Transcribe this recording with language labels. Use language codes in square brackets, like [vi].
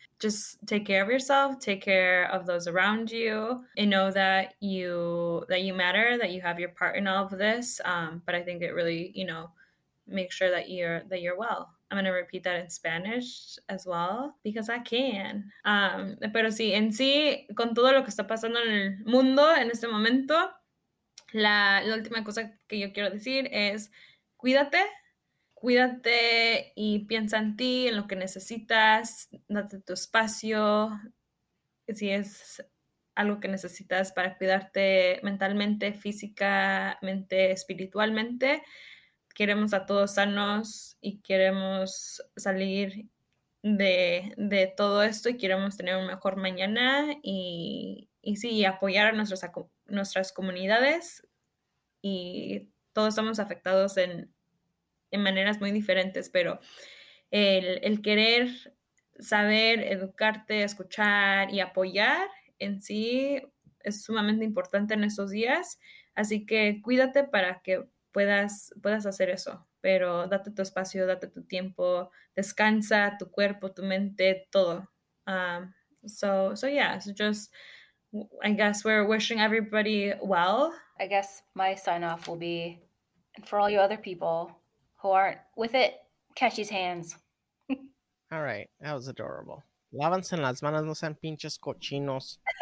[en] Just take care of yourself. Take care of those around you. And know that you matter, that you have your part in all of this. But I think it really, you know, make sure that you're well. I'm going to repeat that in Spanish as well, because I can. [es] Pero sí, en sí, con todo lo que está pasando en el mundo en este momento, la última cosa que yo quiero decir es cuídate. Cuídate y piensa en ti, en lo que necesitas. Date tu espacio. Si es algo que necesitas para cuidarte mentalmente, físicamente, espiritualmente, queremos a todos sanos y queremos salir de todo esto y queremos tener un mejor mañana y sí, apoyar a nuestras comunidades. Y todos estamos afectados en maneras muy diferentes, pero el querer saber, educarte, escuchar y apoyar en sí es sumamente importante en estos días. Así que cuídate para que puedas hacer eso, pero date tu espacio, date tu tiempo, descansa tu cuerpo, tu mente, todo. [en] So just, I guess we're wishing everybody well. I guess my sign off will be, and for all you other people who aren't with it, catch these hands. All right, that was adorable. [es] Lávanse las manos, no sean pinches cochinos.